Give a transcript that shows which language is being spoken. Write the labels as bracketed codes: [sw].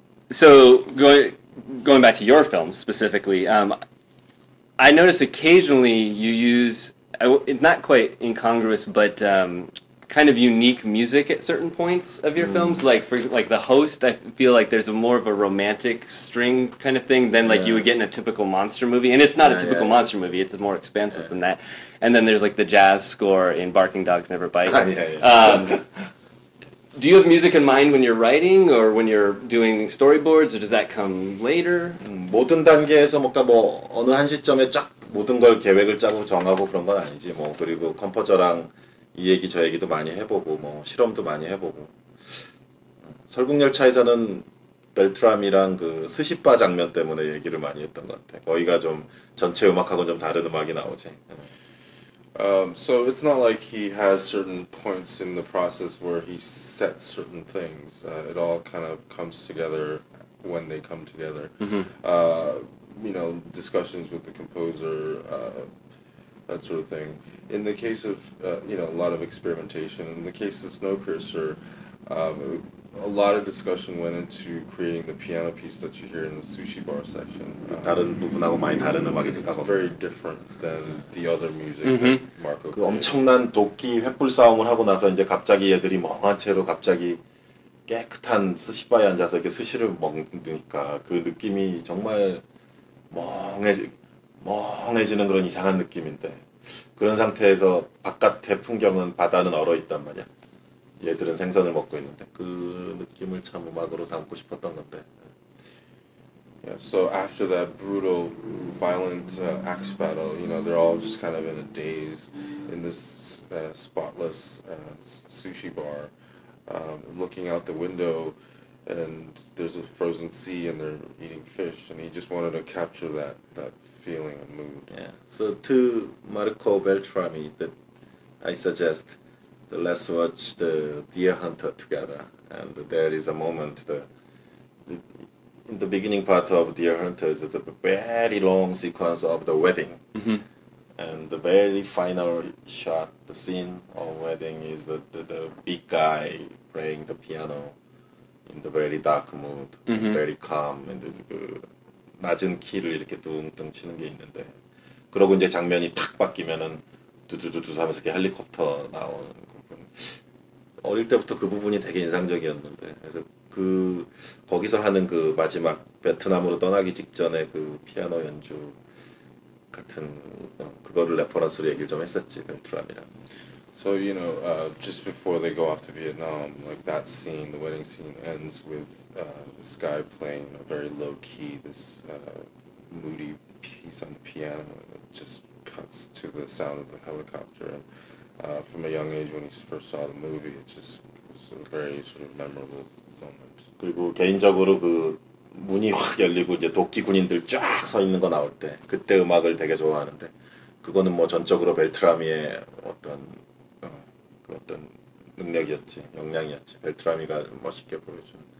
[en] So, going back to your films specifically, I notice occasionally you use, it's not quite incongruous, but kind of unique music at certain points of your films, like for like The Host, I feel like there's a more of a romantic string kind of thing than like you would get in a typical monster movie, and it's not a typical monster movie, it's more expansive than that. And then there's like the jazz score in Barking Dogs Never Bite. Do you have music in mind when you're writing or when you're doing storyboards, or does that come later? [ko] 모든 단계에서 뭔가 뭐 어느 한 시점에 쫙 모든 걸 계획을 짜고 정하고 그런 건 아니지 뭐 그리고 컴포저랑 이 얘기 저 얘기도 많이 해보고 뭐 실험도 많이 해보고 설국열차에서는 벨트람이랑 그 스시바 장면 때문에 얘기를 많이 했던 것 같아. 거기가 좀 전체 음악하고 좀 다른 음악이 나오지. [en] So it's not like he has certain points in the process where he sets certain things. It all kind of comes together when they come together. Mm-hmm. You know, discussions with the composer, that sort of thing. In the case of, you know, a lot of experimentation, in the case of Snowpiercer, a lot of discussion went into creating the piano piece that you hear in the sushi bar section. It's very different than the other music. Mm-hmm. Marco. [ko] 그 엄청난 도끼 횃불 싸움을 하고 나서 이제 갑자기 애들이 멍한 채로 갑자기 깨끗한 스시바에 앉아서 이렇게 스시를 먹으니까 그 느낌이 정말 멍해지는 그런 이상한 느낌인데 그런 상태에서 바깥의 풍경은 바다는 얼어 있단 말이야. 얘들은 생선을 먹고 있는데 그 느낌을 참 음악으로 담고 싶었던 건데. [en] Yeah, so after that brutal, violent axe battle, you know, they're all just kind of in a daze in this spotless sushi bar, looking out the window, and there's a frozen sea and they're eating fish, and he just wanted to capture that feeling and mood. Yeah. So to Marco Beltrami, that I suggest. Let's watch the Deer Hunter together, and there is a moment in the beginning part of Deer Hunter is a very long sequence of the wedding, mm-hmm. and the very final shot, the scene of wedding is the big guy playing the piano in the very dark mood, mm-hmm. very calm, and the [ko] 낮은 키를 이렇게 뚱뚱 치는 게 있는데 그러고 이제 장면이 탁 바뀌면은 두두두두 하면서 이렇게 헬리콥터 나오는 어릴 때부터 그 부분이 되게 인상적이었는데 그래서 그 거기서 하는 그 마지막 베트남으로 떠나기 직전에 그 피아노 연주 같은 그거를 레퍼런스로 얘기를 좀 했었지 베트남이랑. [en] So you know, just before they go off to Vietnam, like that scene, the wedding scene ends with this guy playing a very low key, this moody piece on the piano. It just cuts to the sound of the helicopter. From a young age, when he first saw the movie, it just was a very sort of memorable moment. [ko] 그리고 개인적으로 그 문이 확 열리고 이제 도끼 군인들 쫙 서 있는 거 나올 때 그때 음악을 되게 좋아하는데 그거는 뭐 전적으로 벨트라미의 어떤 그 어떤 능력이었지 역량이었지 벨트라미가 멋있게 보여준.